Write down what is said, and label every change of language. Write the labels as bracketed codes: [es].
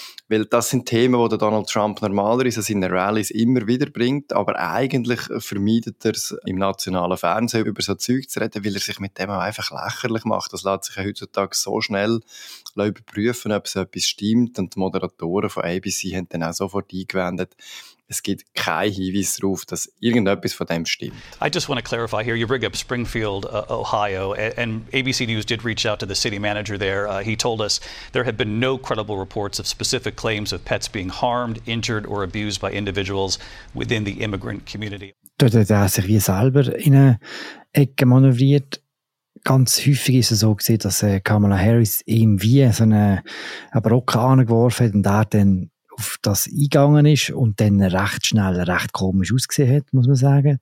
[de] Weil das sind Themen, die Donald Trump normalerweise in seinen Rallyes immer wieder bringt, aber eigentlich vermeidet er es, im nationalen Fernsehen über so Zeug zu reden, weil er sich mit dem einfach lächerlich macht. Das lässt sich ja heutzutage so schnell überprüfen, ob so etwas stimmt. Und die Moderatoren von ABC haben dann auch sofort eingewendet, es gibt keinen Hinweis darauf, dass irgendetwas von dem stimmt. [en] I just want to clarify here, you bring up Springfield, Ohio, and ABC News did reach out to the city manager there. He told us there have been no credible reports of specific claims of pets being harmed, injured or abused by individuals within the immigrant community. [de] Dort hat er sich wie selber in eine Ecke manövriert. Ganz häufig ist es so gesehen, dass Kamala Harris ihm wie so eine Brocken angeworfen hat und er dann auf das eingegangen ist und dann recht schnell recht komisch ausgesehen hat, muss man sagen.